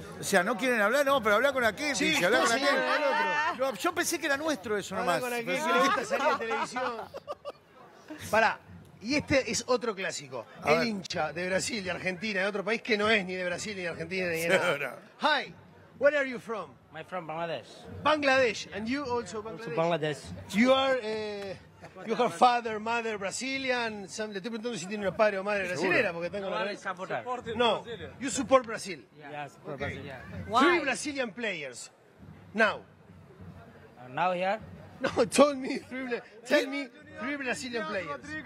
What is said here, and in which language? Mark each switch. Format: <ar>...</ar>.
<es>O sea, no quieren hablar, no, pero habla con aquel. Sí, si habla con aquel. No, yo pensé que era nuestro eso nomás. Habla con aquel, si le gusta salir de televisión. Pará, y este es otro clásico. A el ver. Hincha de Brasil, de Argentina, de otro país que no es ni de Brasil, ni de Argentina, ni de nada.</es> <en>Hi, where are you from? I'm from Bangladesh. Bangladesh, and you also Bangladesh? Also Bangladesh. You are... You have father, mother, Brazilian.</en> <es>Some, le estoy preguntando si tiene un padre o madre brasileña, porque tengo la madre.</es> <en>No, you support Brazil. Yes, support okay. Brazil. Yeah. Why? Three Brazilian players. Now. Now here? No, tell me three. Tell me three Brazilian players.</en>